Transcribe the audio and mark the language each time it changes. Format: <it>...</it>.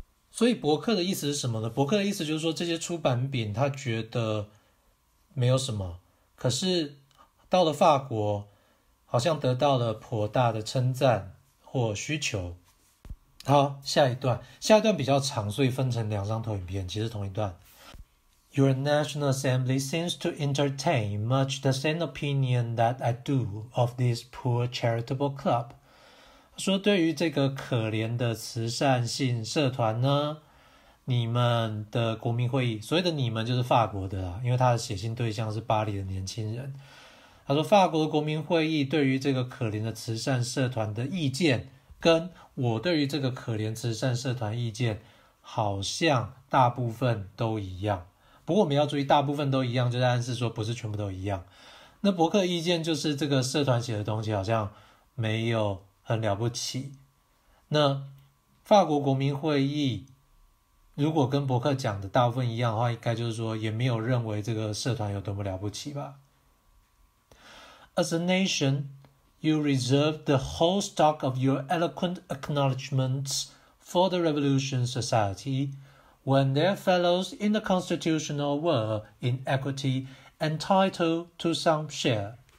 <zh>所以柏克的意思是什么呢？柏克的意思就是说这些出版品他觉得没有什么，可是到了法国好像得到了颇大的称赞或需求。好，下一段，下一段比较长，所以分成两张投影片，其实同一段。</zh> <en>Your National Assembly seems to entertain much the same opinion that I do of this poor charitable club.</en> <zh>说对于这个可怜的慈善性社团呢，你们的国民会议，所谓的你们就是法国的啦，因为他的写信对象是巴黎的年轻人。他说法国的国民会议对于这个可怜的慈善社团的意见跟我对于这个可怜慈善社团意见好像大部分都一样。不过我们要注意大部分都一样就是暗示说不是全部都一样。那柏克意见就是这个社团写的东西好像没有很了不起。那法国国民会议如果跟柏克讲的大部分一样的话，应该就是说也没有认为这个社团有多么了不起吧。</zh> <en>As a nation,You reserve the whole stock of your eloquent acknowledgments for the Revolution Society, when their fellows in the constitutional were, in equity, entitled to some share.</en>